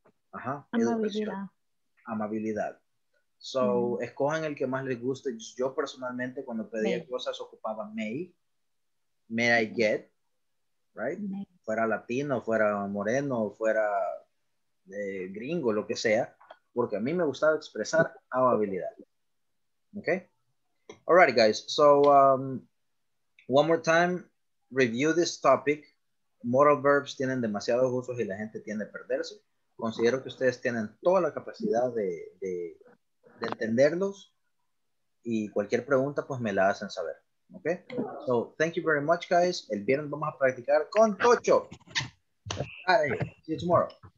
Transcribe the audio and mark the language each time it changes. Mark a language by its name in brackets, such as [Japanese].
[Spanish] Ajá, amabilidad. So, escojan el que más les guste. Yo personalmente cuando pedía cosas ocupaba [English] may I get, right? [Spanish] Fuera latino, fuera moreno, fuera gringo, lo que sea, porque a mí me gustaba expresar amabilidad. ¿Okay? [English] Alright, guys, so one more time, review this topic. [Spanish] Modal verbs tienen demasiados usos y la gente tiende a perderse. Considero que ustedes tienen toda la capacidad de entenderlos y cualquier pregunta pues me la hacen saber. [English] Ok, so thank you very much, guys. [Spanish] El viernes vamos a practicar con Tocho. [English] Bye. See you tomorrow.